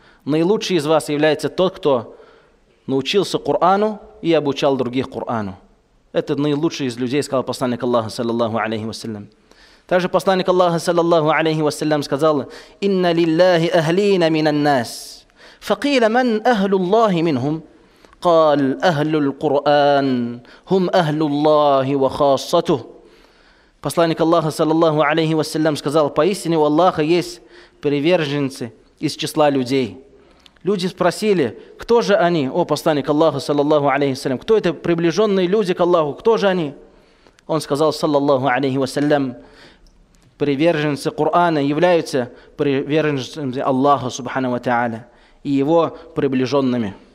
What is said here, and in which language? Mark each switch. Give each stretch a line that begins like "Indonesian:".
Russian: Наилучший из вас является тот, кто научился Корану и обучал других Корану. Это наилучший из людей, сказал посланник Аллаха, саллаллаху алейхи вассалям. Также посланник Аллаха, саллаллаху алейхи вассалям, сказал:
Arabic: «Инна лиллахи ахлина минаннас». فقيل من أهل الله منهم قال أهل القرآن هم أهل الله وخاصته.
Russian: Посланник Аллаха саллаллаху алейхи вассалям сказал: поистине у Аллаха есть приверженцы из числа людей. Люди спросили: кто же они, о посланник Аллаха саллаллаху алейхи вассалям, кто это приближенные люди к Аллаху, кто же они? Он сказал, саллаллаху алейхи вассалям: приверженцы Корана являются приверженцами Аллаха субхана ва тааля и его приближенными.